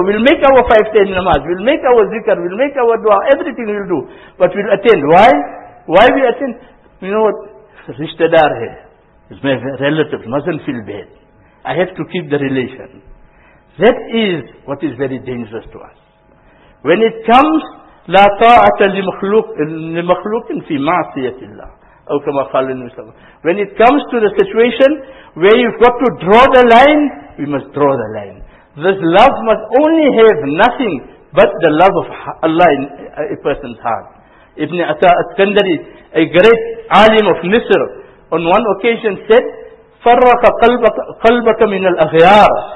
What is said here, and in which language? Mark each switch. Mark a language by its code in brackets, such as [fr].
[en] We'll make our 5-10 namaz, we'll make our zikr, we'll make our dua, everything we'll do. But we'll attend. Why? Why we attend? You know what? [hi] Rishtadar hai. [en] It's my relative, mustn't feel bad. I have to keep the relation. That is what is very dangerous to us. When it comes, [ar] لا طاعة لمخلوق في معصية الله أو كما قال النبي صلى الله عليه وسلم. [en] When it comes to the situation where you've got to draw the line, we must draw the line. This love must only have nothing but the love of Allah in a person's heart. Ibn Atta al-Qandari, a great alim of Misr, on one occasion said, [ar] فَرَّقَ قَلْبَكَ مِنَ الْأَغْيَارِ.